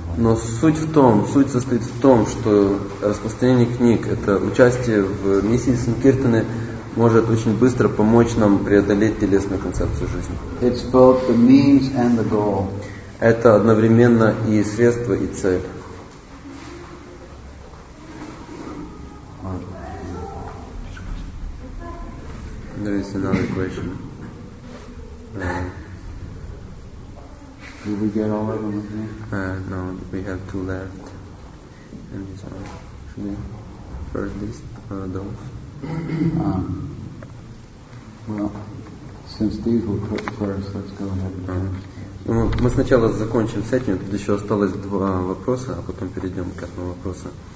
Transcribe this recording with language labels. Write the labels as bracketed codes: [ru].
[ru] Но суть состоит в том, что распространение книг, это участие в миссии санкиртаны, может очень быстро помочь нам преодолеть телесную концепцию жизни. [en] It's both the means and the goal. [ru] Это одновременно и средство, и цель. [en] There is another question. Did we get all of them? No, we have two left. And this one. Should we first list those? Well, since these were put first, let's go ahead and finish. [ru] Мы сначала закончим с этим, тут еще осталось два вопроса, а потом перейдем к одному вопросу.